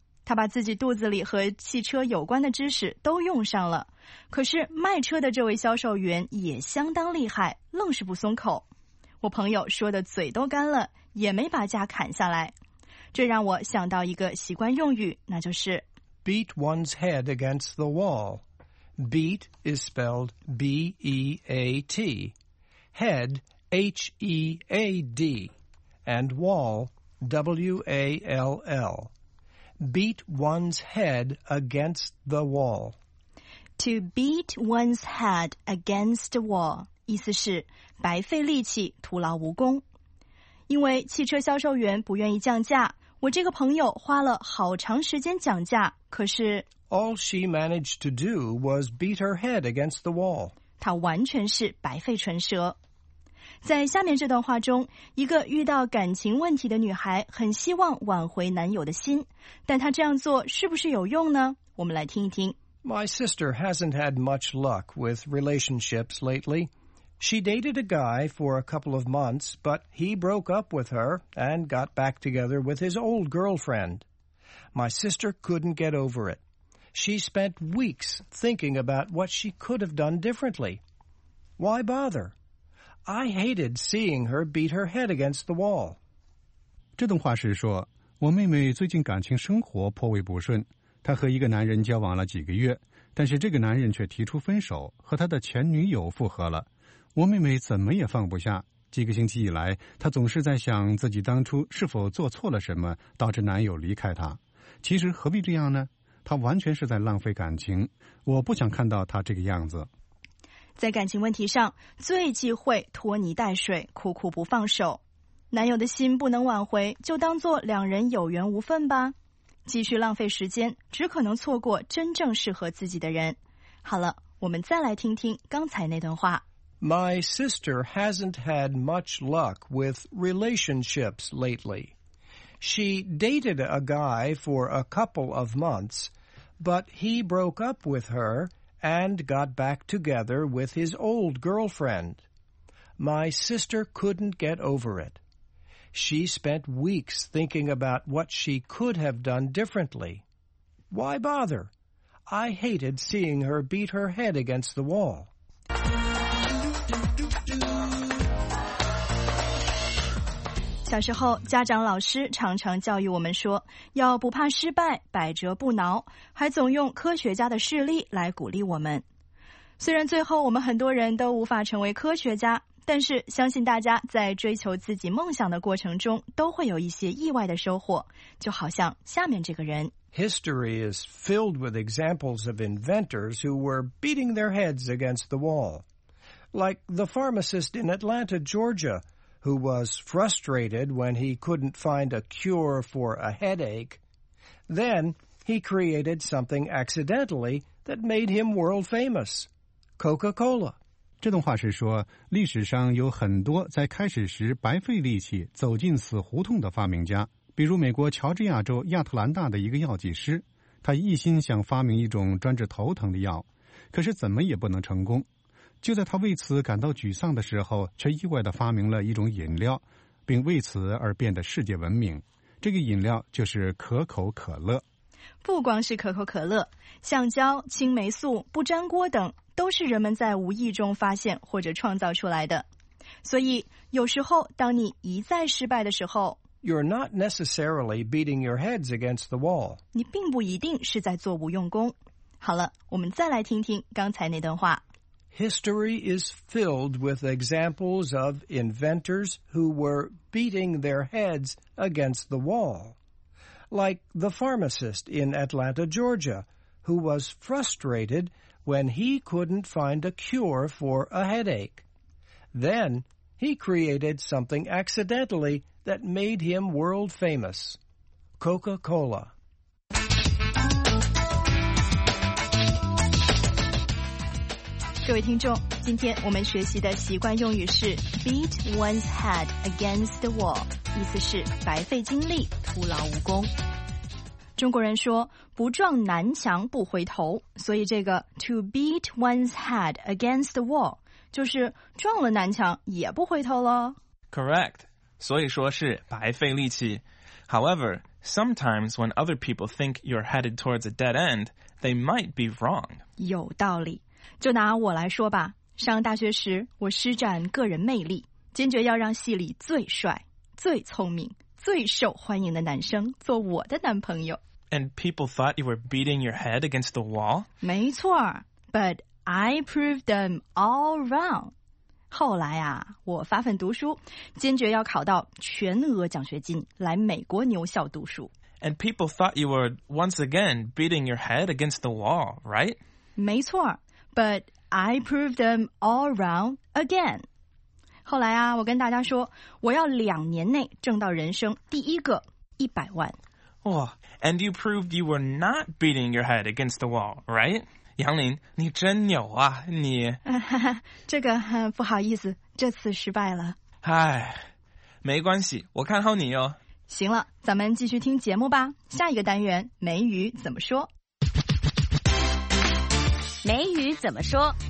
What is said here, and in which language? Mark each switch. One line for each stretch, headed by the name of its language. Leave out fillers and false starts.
Chinese: 他把自己肚子里和汽车有关的知识都用上了。可是卖车的这位销售员也相当厉害，愣是不松口。我朋友说的嘴都干了也没把价砍下来这让我想到一个习惯用语那就是
English: Beat one's head against the wall Beat is spelled B-E-A-T Head H-E-A-D And wall W-A-L-L Beat one's head against the wall To beat one's head against the wall
Chinese: 意思是白费力气徒劳无功因为汽车销售员不愿意降价我这个朋友花了好长时间讲价可是
English: All she managed to do was beat her head against the wall
Chinese: 她完全是白费唇舌在下面这段话中一个遇到感情问题的女孩很希望挽回男友的心但她这样做是不是有用呢我们来听一听
English: My sister hasn't had much luck with relationships lately She dated a guy for a couple of months, but he broke up with her and got back together with his old girlfriend. My sister couldn't get over it. She spent weeks thinking about what she could have done differently. Why bother? I hated seeing her beat her head against the wall.
Chinese: 这段话是说，我妹妹最近感情生活颇为不顺，她和一个男人交往了几个月，但是这个男人却提出分手，和他的前女友复合了。我妹妹怎么也放不下，几个星期以来，她总是在想自己当初是否做错了什么，导致男友离开她。其实何必这样呢？她完全是在浪费感情，我不想看到她这个样子。在感情问题上，最忌讳拖泥带水，苦苦不放手。男友的心不能挽回，就当作两人有缘无分吧。继续浪费时间，只可能错过真正适合自己的人。好了，我们再来听听刚才那段话。
English: My sister hasn't had much luck with relationships lately. She dated a guy for a couple of months, but he broke up with her and got back together with his old girlfriend. My sister couldn't get over it. She spent weeks thinking about what she could have done differently. Why bother? I hated seeing her beat her head against the wall.
Chinese: 小时候，家长老师常常教育我们说，要不怕失败，百折不挠，还总用科学家的事例来鼓励我们。虽然最后我们很多人都无法成为科学家，但是相信大家在追求自己梦想的过程中都会有一些意外的收获，就好像下面这个人。
English: History is filled with examples of inventors who were beating their heads against the wall. Like the pharmacist in Atlanta, Georgia, who was frustrated when he couldn't find a cure for a headache. Then he created something accidentally that made him world famous, Coca-Cola.
Chinese: 这段话是说，历史上有很多在开始时白费力气走进死胡同的发明家，比如美国乔治亚州亚特兰大的一个药剂师，他一心想发明一种专治头疼的药，可是怎么也不能成功。就在他为此感到沮丧的时候，却意外地发明了一种饮料，并为此而变得世界闻名。这个饮料就是可口可乐。不光是可口可乐，橡胶、青霉素、不粘锅等都是人们在无意中发现或者创造出来的。所以，有时候当你一再失败的时候，
English: You're not necessarily beating your heads against the wall.
Chinese: 你并不一定是在做无用功。好了，我们再来听听刚才那段话。 History is filled with examples of inventors who were beating their heads against the wall. Like the pharmacist in Atlanta, Georgia, who was frustrated when he couldn't find a cure for a headache. Then he created something accidentally that made him world famous, Coca-Cola. 各位听众，今天我们学习的习惯用语是
English: beat one's head against the wall，
Chinese: 意思是白费精力，徒劳无功。中国人说不撞南墙不回头，所以这个
English: to beat one's head against the wall
Chinese: 就是撞了南墙也不回头了。
English: Correct，
Chinese: 所以说是白费力气。
English: However, sometimes when other people think you're headed towards a dead end, they might be wrong.
Chinese: 有道理。就拿我来说吧，上大学时我施展个人魅力，坚决要让系里最帅、最聪明、最受欢迎的男生做我的男朋友。
English: And people thought you were beating your head against the wall?
Chinese: 没错，
English: But I proved them all wrong.
Chinese: 后来啊，我发奋读书，坚决要考到全额奖学金，来美国牛校读书。
English: And people thought you were once again beating your head against the wall, right?
Chinese: 没错，
English: But I proved them all wrong again.
Chinese: 后来啊，我跟大家说，我要两年内挣到人生第一个100万。
English: Oh, and you proved you were not beating your head against the wall, right?
Chinese: 杨林，你真牛啊，你。这个，不好意思，这次失败了。唉，没关系，我看好你哦。行了，咱们继续听节目吧。下一个单元，梅雨怎么说？美语怎么说？